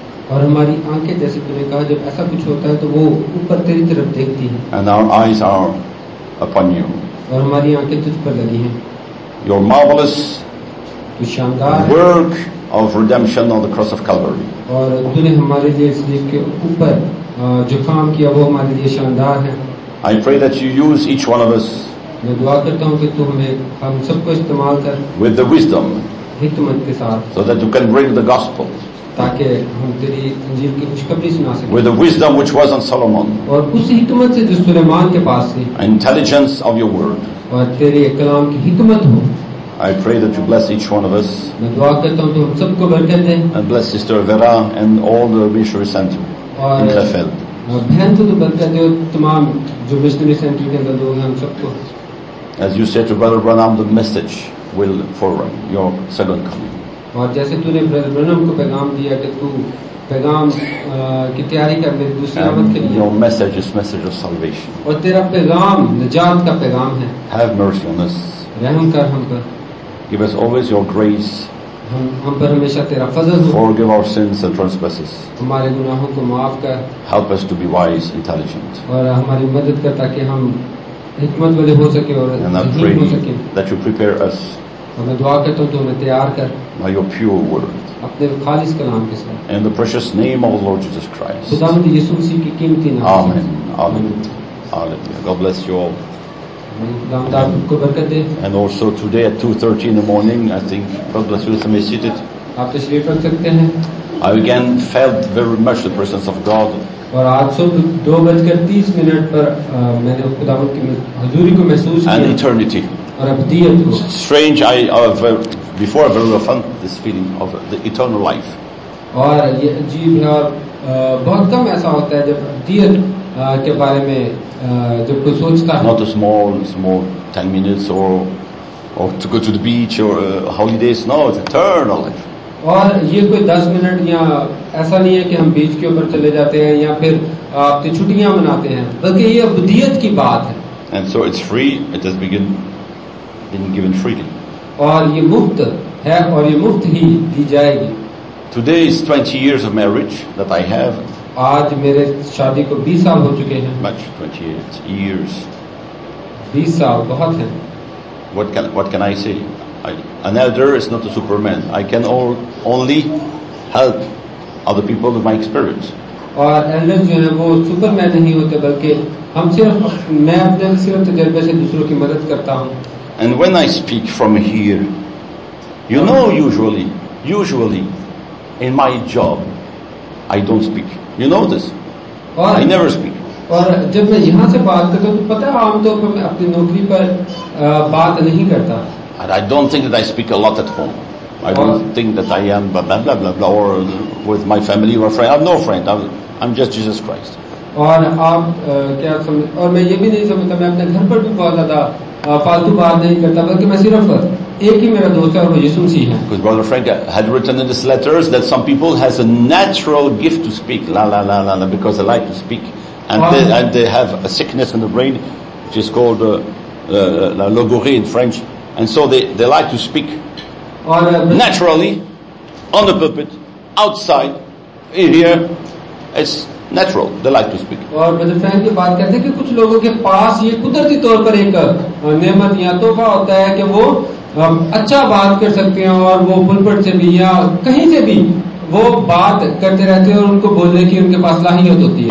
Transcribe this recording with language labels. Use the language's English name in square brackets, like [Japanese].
[English] And our eyes are upon you. Your marvelous work of redemption on the cross of Calvary. [Hindi] और तूने हमारे लिए इस दिन के ऊपर जो काम किया वो हमारे लिए शानदार है. [English] I pray that you use each one of us. [Hindi] मैं दुआ करता हूँ कि तू हमें हम सबको इस्तेमाल कर. [English] With the wisdom. [Hindi] हिकमत के साथ. [English] So that you can bring the gospel. [Hindi] ताकि हम तेरी इंजील की खुशखबरी सुना सकें. [English] With the wisdom which was on Solomon. [Hindi] और उस हिकमत से जो सुलेमान के पास थी. [English] Intelligence of your word. [Hindi] और तेरे कलाम की हिकमत हो. [English] I pray that you bless each one of us. [Hindi] मैं दुआ करता हूँ तो हम सबको बरकत दे. [English] And bless Sister Vera and all the missionary center in Krefeld. [Hindi] और बहन तो बरकत दे तमाम जो missionary center के अंदर लोग हैं सबको. [English] As you said to Brother Branham, the message will forward your second coming. [Hindi] और जैसे तूने Brother Branham को पैगाम दिया कि तू पैगाम की तैयारी कर मेरी दूसरी आमद के लिए. [English] Your message is message of salvation. [Hindi] और तेरा पैगाम निजात का पैगाम है. [English] Have mercy on us. [Hindi] रहम कर हम पर. [English] Give us always your grace. [Hindi] हम पर हमेशा तेरा फजल. [English] Forgive our sins and trespasses. [Hindi] हमारे गुनाहों को माफ कर. [English] Help us to be wise, intelligent. [Hindi] और हमारी मदद कर ताकि हम हिकमत वाले हो सके और हो सके. [English] That you prepare us. [Hindi] हमें दुआ करता हूँ तो हमें तैयार कर. [English] By your pure word. [Hindi] अपने खालिस कलाम के साथ. [English] In the precious name of the Lord Jesus Christ. [Hindi] खुदावंद यीशु मसीह की कीमती [English] नाम. Amen. Hallelujah. God bless you all. And also today at 2:30 in the morning, I think God bless you, some is seated. [Hindi] आप तशरीफ रख सकते हैं. [English] I again felt very much the presence of God. [Hindi] और आज सुबह 2:30 पर मैंने खुदावंत की हजूरी को महसूस किया. [English] And eternity. [Hindi] और अबदीयत को. [English] Strange, I before I very often this feeling of the eternal life. [Hindi] और ये अजीब है और बहुत कम ऐसा होता है जब अबदीयत के बारे में जब कोई सोचता है. [English] Not a small 10 minutes or to go to the beach or holidays. No, it's eternal life. [Hindi] और ये कोई 10 मिनट या ऐसा नहीं है कि हम बीच के ऊपर चले जाते हैं या फिर आपकी छुट्टियां मनाते हैं बल्कि ये अबदियत की बात है. [English] And so it's free, it has been given freely. [Hindi] और ये मुफ्त है और ये मुफ्त ही दी जाएगी. [English] Today is 20 years of marriage that I have. [Hindi] आज मेरे शादी को 20 साल हो चुके हैं. [English] Much 28 years. [Hindi] 20 साल बहुत है. [English] What can I say. An elder is not a superman. I can only help other people with my experience. [Hindi] और एल्डर जो है वो सुपरमैन नहीं होते बल्कि हम सिर्फ मैं अपने सिर्फ तजर्बे से दूसरों की मदद करता हूँ. [English] And when I speak from here, you know, usually in my job, I don't speak. You know this. I never speak. [Hindi] और जब मैं यहाँ से बात करता हूँ तो पता है आमतौर पर मैं अपनी नौकरी पर बात नहीं करता. [English] And I don't think that I speak a lot at home. I don't think that I am blah blah blah blah blah or with my family or friend. I have no friend. I'm just Jesus Christ. [Hindi] और आप क्या समझ? और मैं ये भी नहीं समझता मैं अपने घर पर भी बहुत ज़्यादा फालतू बात नहीं करता बल्कि मैं सिर्फ एक ही मेरा दोस्त है और वो यीशु मसीह है. [English] Because Brother Frank had written in his letters that some people has a natural gift to speak la la la la la because they like to speak and they have a sickness in the brain which is called la logorrhée in French. And so they like to speak naturally on the pulpit outside here. It's natural. They like to speak. [Hindi] और मतलब friend की बात कहते हैं कि कुछ लोगों के पास ये कुदरती तौर पर एक नेमत या तोहफा होता है कि वो अच्छा बात कर सकते हैं और वो पुलपिट से भी या कहीं से भी वो बात करते रहते हैं और उनको बोलने की उनके पास लाहियत होती है.